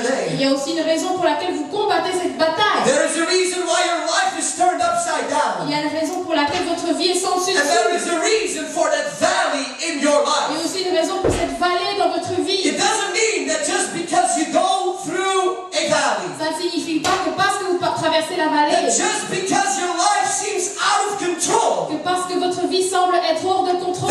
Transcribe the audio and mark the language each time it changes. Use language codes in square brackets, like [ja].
[fr] Il y a aussi une raison pour laquelle vous combattez cette bataille. [en] There is a reason why your life is turned upside down. [fr] Il y a une raison pour laquelle votre vie est sans dessus. [en] And there is a reason for that valley in your life. [fr] Il y a aussi une raison pour cette vallée dans votre vie. [en] It doesn't mean that just because you go through a valley. [fr] Ça ne signifie pas que parce que vous traversez la vallée. [en] That just because your life seems out of control. [fr] Que parce que votre vie semble être hors de contrôle.